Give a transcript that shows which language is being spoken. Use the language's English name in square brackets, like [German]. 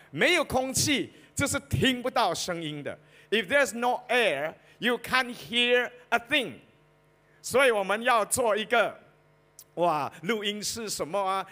[Chinese] 没有空气，就是听不到声音的。 [English] If there's no air, you can't hear a thing. [Chinese] 所以我们要做一个，哇，录音是什么啊？